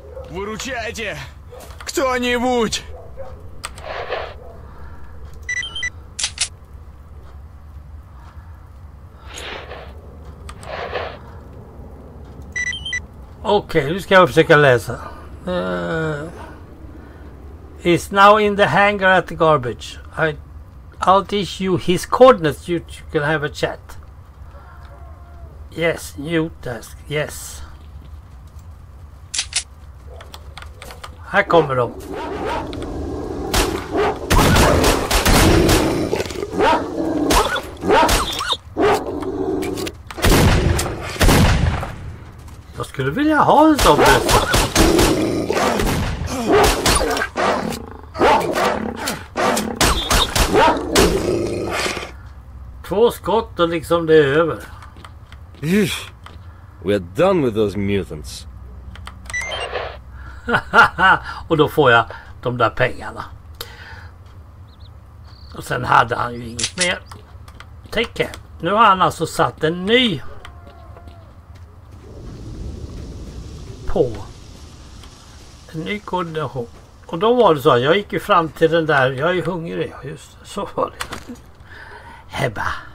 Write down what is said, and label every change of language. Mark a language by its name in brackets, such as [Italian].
[Russian] Выручайте! Кто-нибудь! [Swedish] Okej, nu ska jag försöka läsa. [English] He's now in the hangar at the garbage. I'll teach you his coordinates. You can have a chat. Yes, new task. Yes. [Swedish] Här kommer de. Jag skulle vilja ha en sån bössa. Två skott och liksom det är över. [English] We are done with those mutants. [Swedish] Och då får jag de där pengarna. Och sen hade han ju inget mer. Tänk, nu har han alltså satt en ny på en ny koordination. Och då var det så att jag gick ju fram till den där, jag är hungrig, just så var det. Hebba.